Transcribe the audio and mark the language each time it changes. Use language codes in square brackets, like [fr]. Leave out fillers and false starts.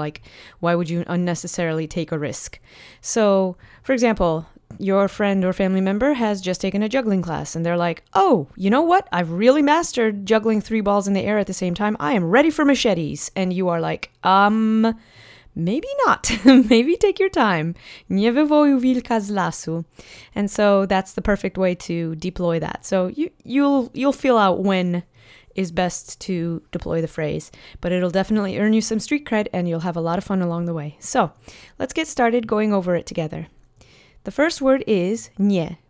[en] Like, why would you unnecessarily take a risk? So, for example, your friend or family member has just taken a juggling class and they're like, oh, you know what? I've really mastered juggling three balls in the air at the same time. I am ready for machetes. And you are like, maybe not. Maybe take your time. [pl] Nie wywołuj wilka z lasu. [en] And so that's the perfect way to deploy that. So you'll feel out when is best to deploy the phrase, but it'll definitely earn you some street cred and you'll have a lot of fun along the way. So let's get started going over it together. The first word is nie.